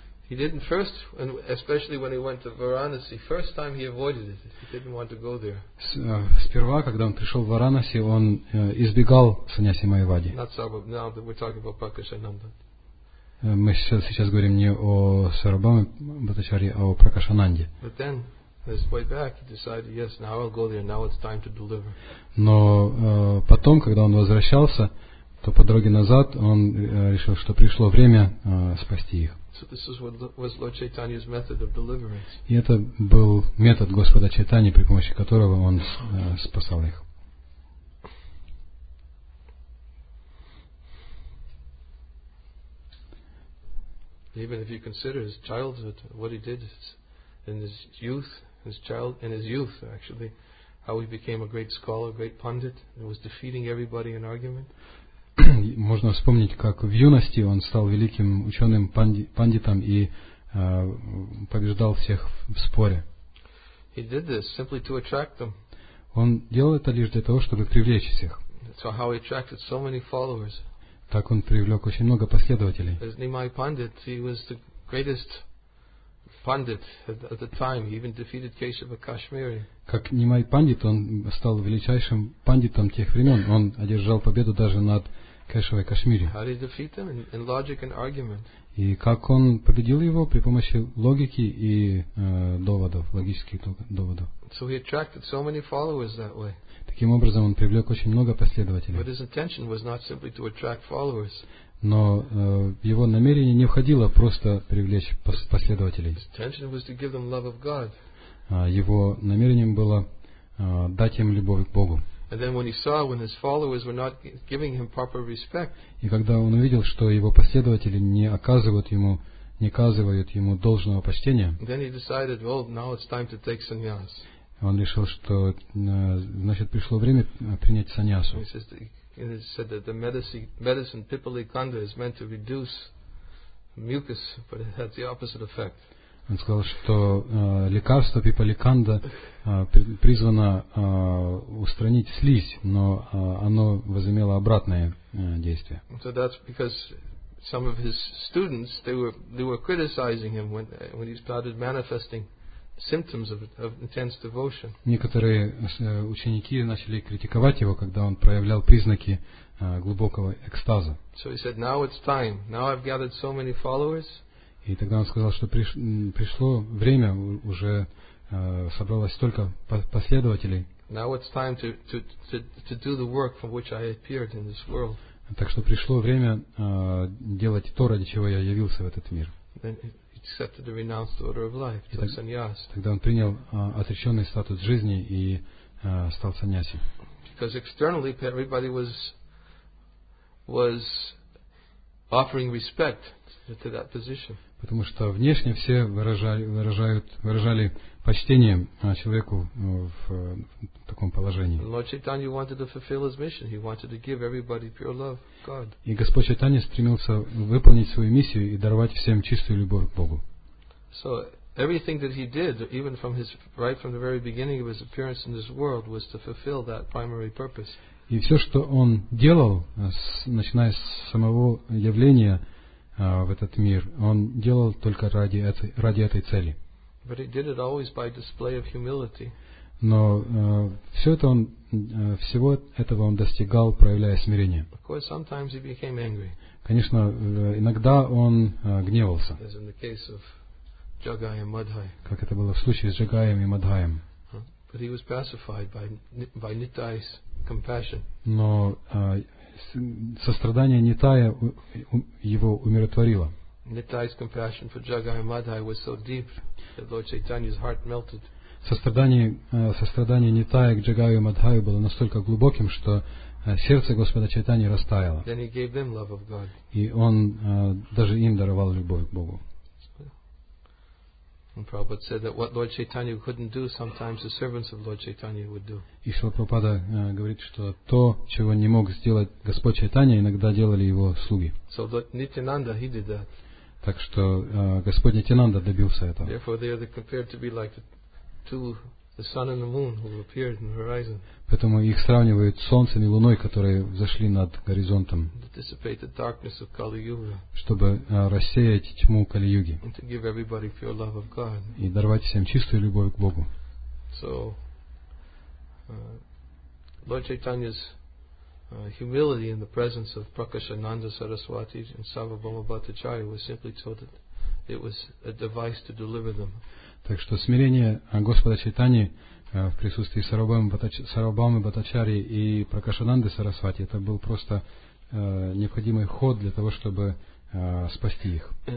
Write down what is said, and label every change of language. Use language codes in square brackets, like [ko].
[en] He didn't first, and especially when he went to Varanasi, first time he avoided it. He didn't want to go there. [ru] Сперва, когда он пришел в Варанаси, он избегал саньяси майявади. [en] Not so, but now that we're talking about Prakashananda. [ru] Мы сейчас говорим не о Сарабхаме Бхаттачарье, а о Пракашананде. [en] But then, this way back, he decided, yes, now I'll go there. Now it's time to deliver. [ru] Но потом, когда он возвращался, то по дороге назад он решил, что пришло время спасти их. [en] So this is what was Lord Chaitanya's method of deliverance. [ru] И это был метод Господа Чайтани, при помощи которого он спасал их. [en] Even if you consider his childhood, what he did in his youth, actually, how he became a great scholar, great pundit, and was defeating everybody in argument. [ru] Можно вспомнить, как в юности он стал великим ученым, пандитом и побеждал всех в споре. [en] He did this simply to attract them. [ru] Он делал это лишь для того, чтобы привлечь всех. [en] So how he attracted so many followers. [ru] Так он привлек очень много последователей. [en] As Nimai Pandit, he was the greatest pundit at the time. He even defeated Keshava Kashmiri. [ru] Как Нимай Пандит, он стал величайшим пандитом тех времен. Он одержал победу даже над Кешавой Кашмири. [en] How did he defeat them? In logic and argument. [ru] И как он победил его? При помощи логики и доводов, логических доводов. [en] So he attracted so many followers that way. [ru] Таким образом, он привлек очень много последователей. [en] But his intention was not simply to attract followers. [ru] Но его намерение не входило просто привлечь последователей. [en] His intention was to give them love of God. [ru] Его намерением было дать им любовь к Богу. [en] And then when he saw when his followers were not giving him proper respect. [ru] И когда он увидел, что его последователи не оказывают ему должного почтения. [en] Then he decided, well, now it's time to take sannyas. [ru] Он решил, что значит пришло время принять саньясу. [en] He said that the medicine Pipali Kanda is meant to reduce mucus, but it had the opposite effect. [ru] Он сказал, что лекарство пипаликанда призвано устранить слизь, но оно возымело обратное действие. [en] So that's because some of his students they were criticizing him when he started manifesting symptoms of intense devotion. [ru] Некоторые ученики начали критиковать его, когда он проявлял признаки глубокого экстаза. [en] So he said, now it's time. Now I've gathered so many followers. [ru] И тогда он сказал, что пришло время, уже собралось столько последователей. [en] Now it's time to do the work for which I appeared in this world. [ru] Так что пришло время делать то, ради чего я явился в этот мир. [en] Then he accepted the renounced order of life, took sannyas. [ru] Тогда он принял отреченный статус жизни и стал саньяси. [en] Because externally everybody was offering respect to that position. [ru] Потому что внешне все выражали почтение человеку в таком положении. [en] Lord Chaitanya wanted to fulfill his mission. He wanted to give everybody pure love, God. [ru] И Господь Чайтанья стремился выполнить свою миссию и даровать всем чистую любовь к Богу. [en] So everything that he did, even from his right from the very beginning of his appearance in this world, was to fulfill that primary purpose. [ru] И все, что он делал, начиная с самого явления в этот мир, он делал только ради этой цели. [en] But he did it always by display of humility. [ru] Но всего этого он достигал, проявляя смирение. [en] Of course, sometimes he became angry. [ru] Конечно, иногда он гневался. [en] As in the case of Jagai and Madhai. [ru] Как это было в случае с Джагаем и Мадхаем. [en] But he was pacified by Nittai's compassion. [ru] Но сострадание Нитая его умиротворило. [en] Nittai's compassion for Jagai and Madhai was so deep that Lord Chaitanya's heart melted. [ru] Сострадание Нитая к Джагаю и Мадхаю было настолько глубоким, что сердце Господа Чайтани растаяло. [en] Then he gave them love of God. [ru] И он даже им даровал любовь к Богу. [en] And Prabhupada said that what Lord Chaitanya couldn't do, sometimes the servants of Lord Chaitanya would do. [ru] И Шрила Прабхупада говорит, что то, чего не мог сделать Господь Чайтанья, иногда делали его слуги. [en] So Lord Nityananda, he did that. [ru] Так что Господь Нитянанда добился этого. [en] Therefore, they are compared to be like the two the sun and the moon who appeared in the horizon. [ru] Поэтому их сравнивают с солнцем и луной, которые зашли над горизонтом. [en] To dissipate the darkness of Kali-yuga. [ru] Чтобы рассеять тьму Кали-юги. [en] And to give everybody pure love of God. [ru] И даровать всем чистую любовь к Богу. [en] So, Lord Chaitanya's humility in the presence of Prakashananda Saraswati and Sarvabhauma Bhattacharya was simply so that it was a device to deliver them. [ru] Так что смирение Господа Чайтани в присутствии Сарвабхаумы Бхаттачарьи и Пракашананды Сарасвати, это был просто необходимый ход для того, чтобы спасти их.